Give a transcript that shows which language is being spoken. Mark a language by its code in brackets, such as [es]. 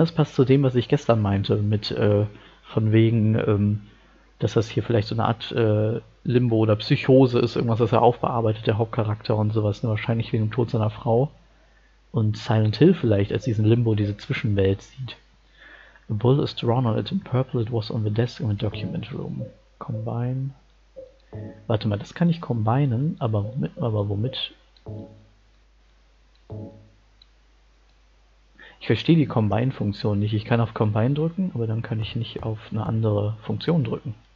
[de] Das passt zu dem, was ich gestern meinte. Mit, von wegen, dass das hier vielleicht so eine Art Limbo oder Psychose ist. Irgendwas, das er aufbearbeitet, der Hauptcharakter und sowas. Ne? Wahrscheinlich wegen dem Tod seiner Frau. Und Silent Hill vielleicht als diesen Limbo, diese Zwischenwelt sieht. [en] A bull is drawn on it in purple. It was on the desk in the document room. Combine. [de] Warte mal, das kann ich kombinieren, aber womit? Ich verstehe die Combine-Funktion nicht. Ich kann auf Combine drücken, aber dann kann ich nicht auf eine andere Funktion drücken.